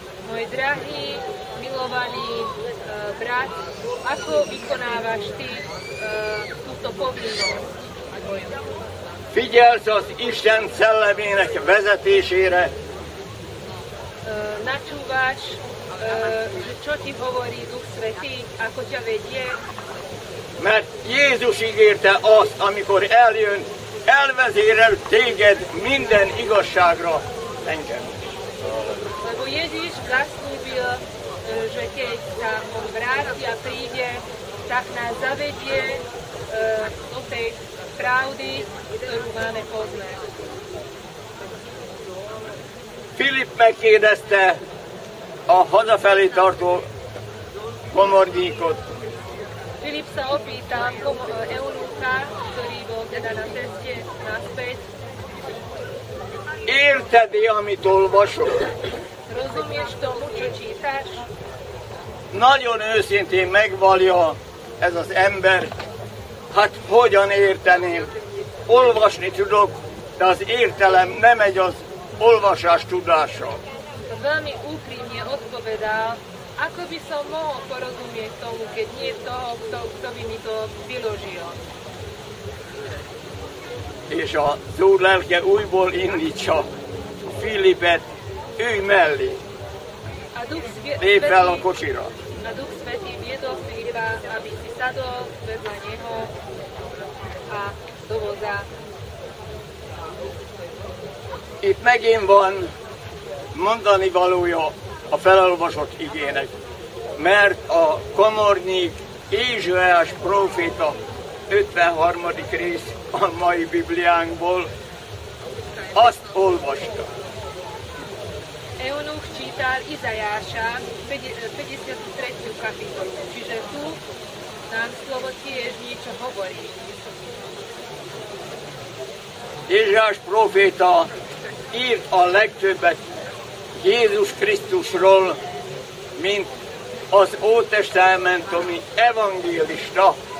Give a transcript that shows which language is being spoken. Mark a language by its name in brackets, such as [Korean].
[Slovak] Moj drahý, milovaný brat, ako vykonávaš ty túto povinnosť? [Hungarian] Figyelsz az Isten szellemének vezetésére? [Slovak] Načúvaš, čo ti hovorí Duch Svätý, ako ťa vedie? [Hungarian] Mert Jézus ígérte azt, amikor eljön, elvezérel téged minden igazságra, engem. [Slovak] Lebo Ježíš zaslúbil, že keď sa on vráti a príde, tak nás zavedie do tej pravdy, ktorú máme poznať. [Hungarian] Filip megkérdezte a hazafelé tartó komornikot. [Slovak] Filip sa opýta eunuka, ktorý bol teda na ceste naspäť. [Hungarian] Érted-e, amit olvasok? [Slovak] Rozumieš tomu, čo čítaš? [Hungarian] Nagyon őszintén megvallja ez az ember. Hát hogyan értenél? Olvasni tudok, de az értelem nem megy az olvasás tudással. [Slovak] Veľmi úprimne odpovedal, ako by som mohol porozumieť tomu, keď nie toho, kto by mi to vyložil. [Hungarian] És a zúr lelke újból indítsa Filipet, ülj mellé, lép fel a kocsira. [Slovak] A Duch Svätý viedol Filipa, aby si sadol vedľa neho a do voza. [Hungarian] Itt megint van mondani valója a felolvasott igének, mert a komornik Ézsaiás proféta 53. rész a mai Bibliánkból azt olvasta. [Slovak] Eunuch čítal Izajáša 53. kapitolu, čiže tu nám slovo tiež niečo hovorí. [Hungarian] Ézsaiás proféta írt a legtöbbet Jézus Krisztusról, mint az ótestamentumi evangélista.